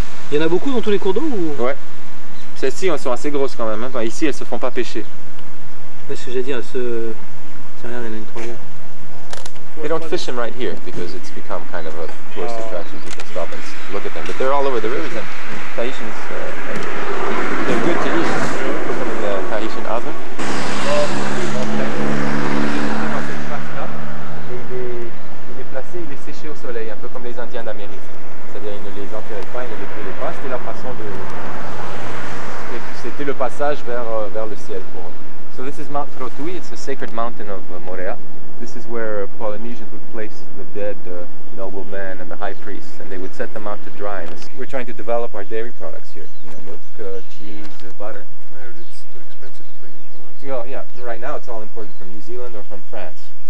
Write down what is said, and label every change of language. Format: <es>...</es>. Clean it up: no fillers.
<fr>Il y en a beaucoup dans tous les cours d'eau ou... Ouais. Celles-ci, elles sont assez grosses quand même. Enfin, ici, elles se font pas pêcher. Mais ce que j'ai dit, elles se... Tiens, regarde, il y en a une troisième.</fr> <en>They don't fish them right here because it's become kind of a tourist attraction. People stop and look at them, but they're all over the rivers. And Tahitians, they're good to eat. Put them in the Tahitian oven.</en> <fr>Il est placé, il est séché au soleil, un peu comme les Indiens d'Amérique. C'est-à-dire, ils ne les enterraient pas, ils ne les brûlaient pas. C'était leur façon de. C'était le passage vers le ciel pour eux.</fr> <en>So this is Mount Trotui. It's the sacred mountain of Morea. This is where Polynesians would place the dead noblemen and the high priests, and they would set them out to dry. We're trying to develop our dairy products here, you know, milk, cheese, butter. I heard it's too expensive to bring them from. Yeah, right now it's all imported from New Zealand or from France.</en>